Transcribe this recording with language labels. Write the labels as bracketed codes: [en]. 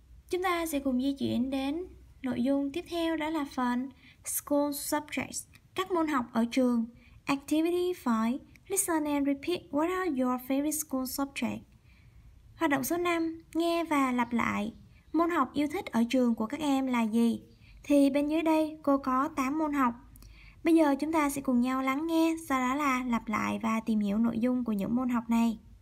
[vi] Chúng ta sẽ cùng di chuyển đến nội dung tiếp theo, đó là phần School Subjects, các môn học ở trường. [en] Activity 5, listen and repeat what are your favorite school subjects. [vi] Hoạt động số 5, nghe và lặp lại. Môn học yêu thích ở trường của các em là gì? Thì bên dưới đây cô có 8 môn học. Bây giờ chúng ta sẽ cùng nhau lắng nghe, sau đó là lặp lại và tìm hiểu nội dung của những môn học này.